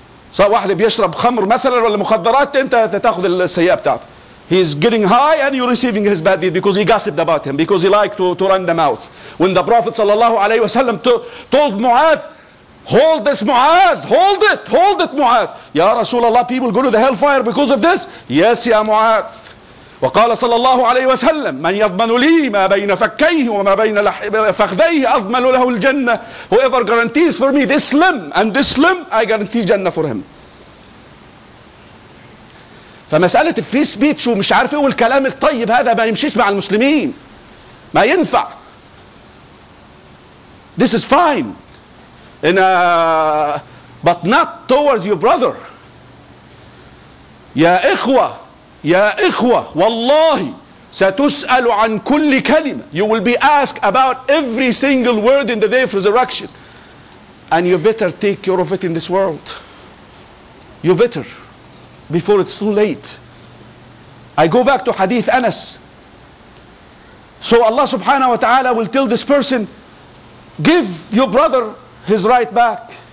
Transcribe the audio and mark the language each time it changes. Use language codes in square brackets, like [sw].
[ar] So واحد بيشرب خمر مثلا ولا مخدرات, انت تاخذ السيئة بتاعته. [en] He is getting high and you're receiving his bad deeds because he gossiped about him, because he liked to run the mouth. When the Prophet صلى الله عليه وسلم told Mu'adh, hold this Mu'adh, hold it Mu'adh. Ya Rasulallah, people go to the hellfire because of this? Yes, ya Mu'adh. [ar] وقال صلى الله عليه وسلم من يضمن لي ما بين فكيه وما بين فخذيه أضمن له الجنة. [en] Whoever guarantees for me this limb and this limb, I guarantee جنة for him. [ar] فمسألة الفري سبيتش ومش عارف ايه والكلام الطيب هذا ما يمشيش مع المسلمين, ما ينفع. [en] This is fine in a, but not towards your brother. [ar] يا إخوة, يا إخوة, والله ستسأل عن كل كلمة. [en] You will be asked about every single word in the day of resurrection. And you better take care of it in this world. You better, before it's too late. I go back to Hadith Anas. So Allah subhanahu wa ta'ala will tell this person, give your brother his right back.